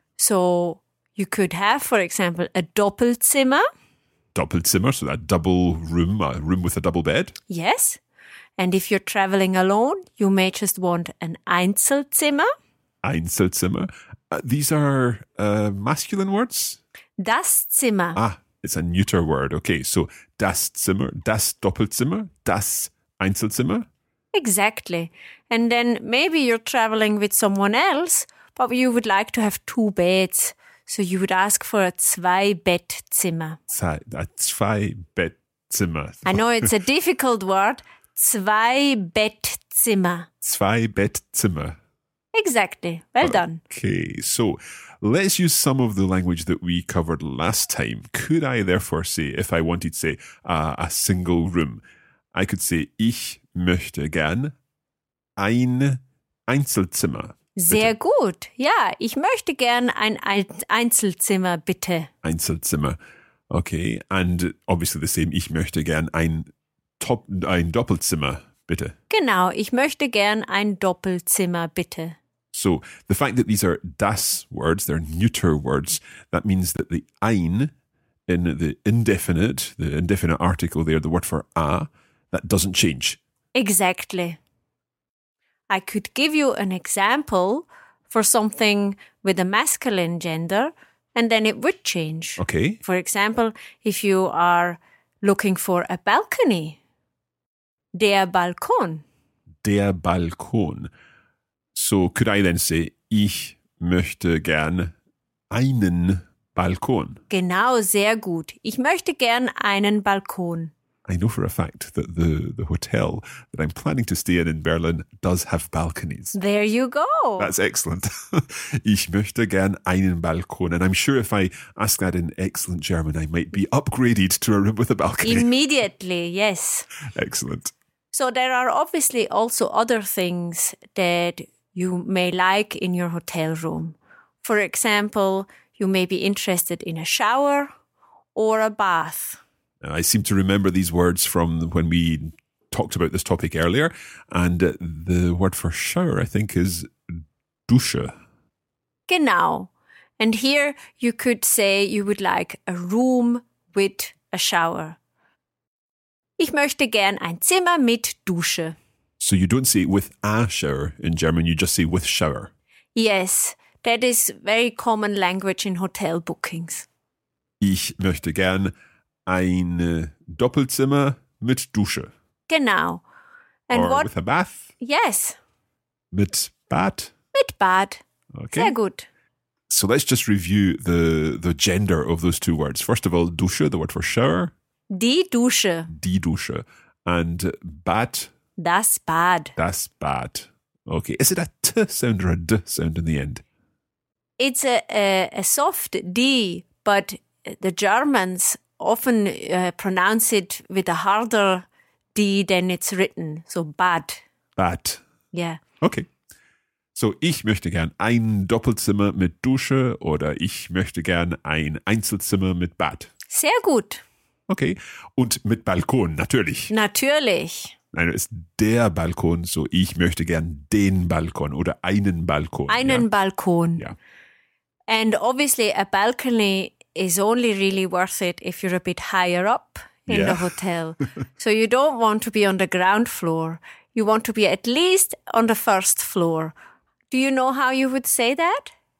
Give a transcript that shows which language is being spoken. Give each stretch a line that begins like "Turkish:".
English: So you could have, for example, a Doppelzimmer. Doppelzimmer, so that double room, a room with a double bed. Yes. And if you're traveling alone, you may just want an Einzelzimmer.
German: Einzelzimmer.
English: These are masculine words?
German: Das Zimmer.
English: Ah, it's a neuter word. Okay, so
German: das Zimmer, das Doppelzimmer, das Einzelzimmer.
English: Exactly. And then maybe you're traveling with someone else, but you would like to have two beds. So you would ask for a Zwei-Bett-Zimmer. A Zwei-Bett-Zimmer. I know it's a difficult word.
German: Zwei-Bett-Zimmer. Zwei-Bett-Zimmer.
English: Exactly. Well done. Okay. So let's use some of the language that we covered last time. Could I therefore say, if I wanted, say, a single room, I could say,
German: ich möchte gern ein Einzelzimmer. Bitte. Sehr gut. Ja, ich möchte gern ein Einzelzimmer, bitte. Einzelzimmer. Okay.
English: And obviously the same,
German: ich möchte gern ein Doppelzimmer. Bitte. Genau, ich möchte gern ein Doppelzimmer, bitte.
English: So, the fact that these are das words, they're neuter words, that means that the ein in the indefinite article there, the word for a, that doesn't change. Exactly. I could give you an example for something with a masculine gender, and then it would change. Okay. For example, if you are looking for a balcony.
German: Der Balkon. Der Balkon.
English: So could I then say,
German: ich möchte gern einen Balkon. Genau, sehr gut. Ich möchte gern einen Balkon.
English: I know for a fact that the hotel that I'm planning to stay in Berlin does have balconies. There you go. That's excellent.
German: Ich möchte gern einen Balkon.
English: And I'm sure if I ask that in excellent German, I might be upgraded to a room with a balcony. Immediately, yes. Excellent. So there are obviously also other things that you may like in your hotel room. For example, you may be interested in a shower or a bath. I seem to remember these words from when we talked about this topic earlier. And the word for shower, I think, is Dusche.
German: Genau.
English: And here you could say you would like a room with a shower.
German: Ich möchte gern ein Zimmer mit Dusche.
English: So you don't say with a shower in German, you just say with shower. Yes, that is very common language in hotel bookings.
German: Ich möchte gern ein Doppelzimmer mit Dusche. Genau.
English: And or what, with a bath? Yes.
German: Mit Bad? Mit Bad.
English: Okay.
German: Sehr gut.
English: So let's just review the gender of those two words. First of all, Dusche, the word for shower.
German: Die Dusche. Die Dusche.
English: And
German: bad. Das Bad. Das Bad. Okay.
English: Is it a T sound or a D sound in the end? It's a soft D, but the Germans often pronounce it with a harder D than it's written.
German: So Bad. Bad.
English: Yeah. Okay.
German: So, ich möchte gern ein Doppelzimmer mit Dusche oder ich möchte gern ein Einzelzimmer mit Bad. Sehr gut.
English: Okay.
German: Und mit Balkon, natürlich. Natürlich. Nein, ist der Balkon so. Ich möchte gern den Balkon oder einen Balkon. Einen ja. Balkon. Ja.
English: And obviously a balcony is only really worth it if you're a bit higher up in the hotel. So you don't want to be on the ground floor. You want to be at least on the first floor. Do you know how you would say that?